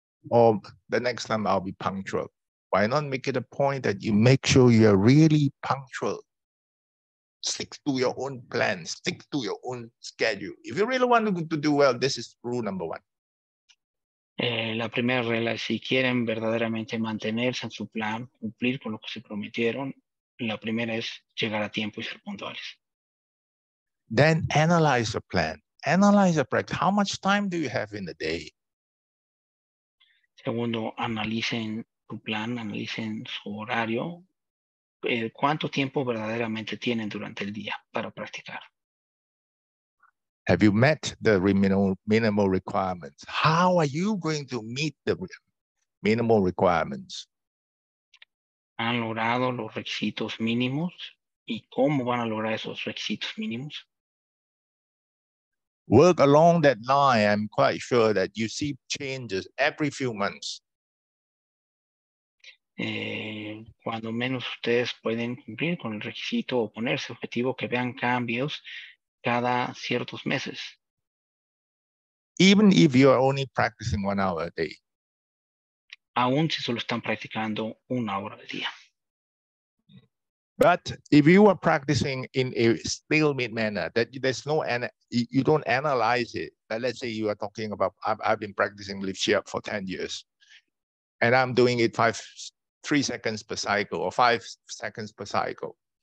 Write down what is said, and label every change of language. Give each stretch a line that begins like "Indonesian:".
English: Or the next time I'll be punctual. Why not make it a point that you make sure you are really punctual? Stick to your own plan. Stick to your own schedule. If you really want to do well, this is rule number one.
Spanish: La primera regla es si quieren verdaderamente mantenerse en su plan, cumplir con lo que se prometieron, la primera es llegar a tiempo y ser puntuales.
English: Then analyze the plan. Analyze the practice. How much time do you have in the day?
Spanish: Segundo, analicen su plan, analicen su horario. ¿Cuánto tiempo verdaderamente tienen durante el día para practicar?
English: Have you met the minimal requirements? How are you going to meet the minimal requirements?
Spanish: ¿Han logrado los requisitos mínimos? ¿Y cómo van a lograr esos requisitos mínimos?
English: Work along that line. I'm quite sure that you see changes every few months.
Spanish: Cuando menos ustedes pueden cumplir con el requisito o ponerse objetivo que vean cambios cada ciertos meses.
English: Even if you are only practicing 1 hour a day.
Spanish: Aún si solo están practicando 1 hora al día.
English: But if you are practicing in a stalemate manner, that there's no, you don't analyze it. But let's say you are talking about, I've been practicing lift chair for 10 years and I'm doing it 3 seconds per cycle or 5 seconds per cycle.